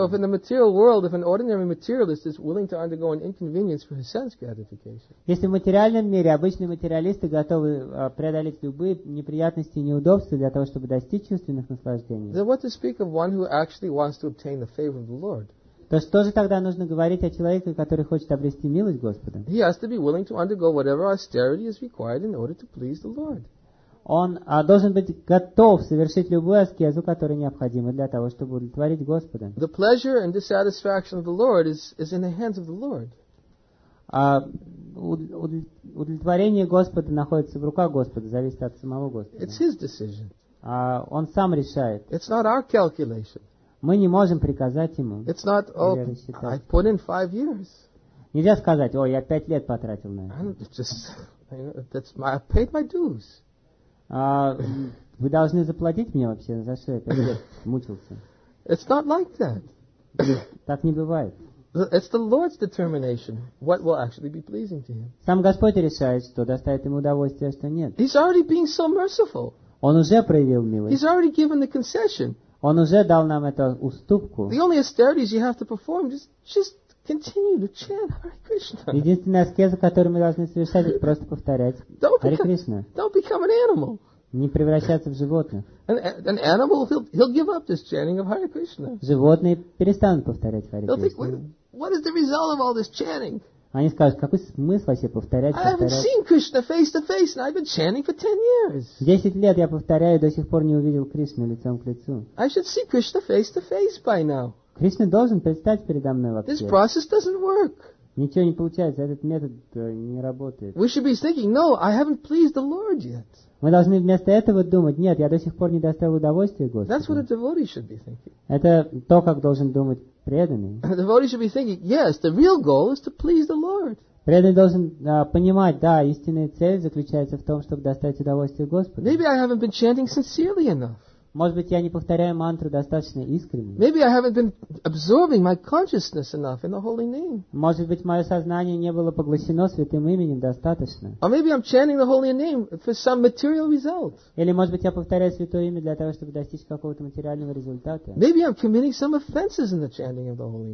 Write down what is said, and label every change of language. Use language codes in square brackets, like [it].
[en] So if in the material world, if an ordinary materialist is willing to undergo an inconvenience for his sense gratification. [ru] Если в материальном мире обычные материалисты готовы преодолеть любые неприятности и неудобства для того, чтобы достичь чувственных наслаждений. [en] Then what to speak of one who actually wants to obtain the favor of the Lord? [ru] То что же тогда нужно говорить о человеке, который хочет обрести милость Господа? [en] He has to be willing to undergo whatever austerity is required in order to please the Lord. [ru] Он должен быть готов совершить любую аскезу, которая необходима для того, чтобы удовлетворить Господа. [en] The pleasure and dissatisfaction of the Lord is in the hands of the Lord. [ru] Удовлетворение Господа находится в руках Господа, зависит от самого Господа. [en] It's His decision. [ru] Он сам решает. [en] It's not our calculation. [ru] Мы не можем приказать ему. [en] It's not, oh, I put in 5 years. [ru] Нельзя сказать, о, я 5 лет потратил на это. [en] I paid my dues. [ru] Вы должны заплатить мне вообще за что я 5 лет мучился. [en] It's not like that. [ru] Так не бывает. [en] It's the Lord's determination what will actually be pleasing to him. [ru] Сам Господь решает, что доставит ему удовольствие, а что нет. [en] He's already being so merciful. [ru] Он уже проявил милость. [en] He's already given the concession. [ru] Он уже дал нам эту уступку. [en] The only austerities you have to perform, just continue to chant Hare Krishna. [ru] Единственная аскеза, которую мы должны совершать, это просто повторять Hare Krishna. [en] Don't become an animal. [ru] Не превращаться в животных. [en] An animal, he'll give up this chanting of Hare Krishna. [ru] Животные перестанут повторять Hare Krishna. [en] They'll think, what is the result of all this chanting? [ru] Они скажут, какой смысл вообще повторять? [en] I haven't seen Krishna face to face, and I've been chanting for 10 years. [ru] 10 лет я повторяю, до сих пор не увидел Кришну лицом к лицу. [en] I should see Krishna face to face by now. [ru] Кришна должен предстать передо мной вообще. [en] This process doesn't work. [ru] Ничего не получается, этот метод не работает. [en] We should be thinking, no, I haven't pleased the Lord yet. [ru] Мы должны вместо этого думать, нет, я до сих пор не доставил удовольствия Господу. [en] That's what a devotee should be thinking. [ru] Это то, как должен думать. Преданный. [en] The devotee should be thinking, yes, the real goal is to please the Lord. [ru] Преданный должен понимать, да, истинная цель заключается в том, чтобы доставить удовольствие Господу. [en] Maybe I haven't been chanting sincerely enough. [ru] Может быть, я не повторяю мантру достаточно искренне. [en] Maybe I haven't been absorbing my consciousness enough in the holy name. [ru] Может быть, мое сознание не было поглощено святым именем достаточно. [en] Or maybe I'm chanting the holy name for some material result. [ru] Или, может быть, я повторяю святое имя для того, чтобы достичь какого-то материального результата. [en] Maybe I'm committing some offenses in the chanting of the holy name.